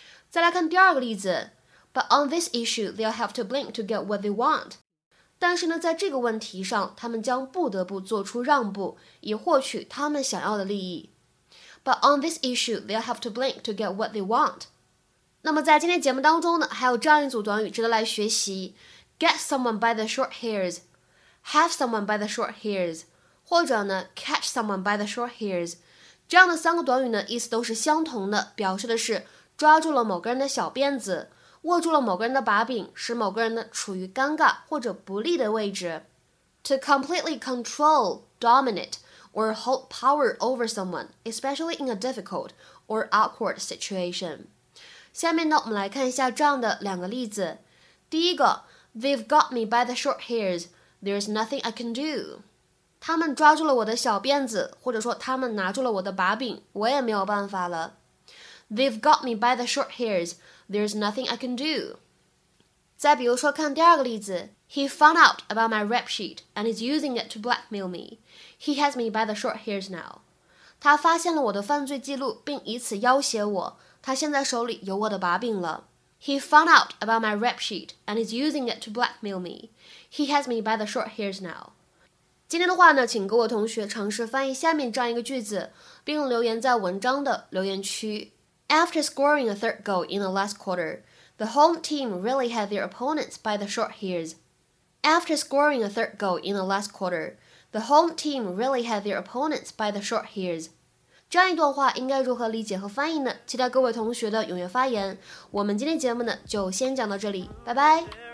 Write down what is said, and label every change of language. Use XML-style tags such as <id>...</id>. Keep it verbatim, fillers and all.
<zh>再来看第二个例子</zh> <en>But on this issue, they'll have to blink to get what they want.</en> <zh>但是呢，在这个问题上，他们将不得不做出让步，以获取他们想要的利益。</zh> <en>But on this issue, they'll have to blink to get what they want.</en> <zh>那么在今天节目当中呢，还有这样一组短语值得来学习</zh> <en>Get someone by the short hairs. Have someone by the short hairs.</en> <zh>或者呢</zh> <en>catch someone by the short hairs，</en> <zh>这样的三个短语呢意思都是相同的，表示的是抓住了某个人的小辫子，握住了某个人的把柄，使某个人呢处于尴尬或者不利的位置。</zh> <en>To completely control, dominate, or hold power over someone, especially in a difficult or awkward situation.</en> <zh>下面呢我们来看一下这样的两个例子。第一个</zh> <en>They've got me by the short hairs. There's nothing I can do.</en> <zh>他们抓住了我的小辫子，或者说他们拿住了我的把柄，我也没有办法了。</zh> <en>They've got me by the short hairs. There's nothing I can do.</en> <zh>再比如说看第二个例子</zh> <en>He found out about my rap sheet and is using it to blackmail me. He has me by the short hairs now.</en> <zh>他发现了我的犯罪记录，并以此要挟我，他现在手里有我的把柄了。</zh> <en>He found out about my rap sheet and is using it to blackmail me. He has me by the short hairs now.</en> <zh>今天的话呢，请各位同学尝试翻译下面这样一个句子，并留言在文章的留言区。</zh> <en>After scoring a third goal in the last quarter, the home team really had their opponents by the short hairs. After scoring a third goal in the last quarter, the home team really had their opponents by the short hairs.</en> <zh>这样一段话应该如何理解和翻译呢？期待各位同学的踊跃发言。我们今天节目呢就先讲到这里，拜拜。</zh>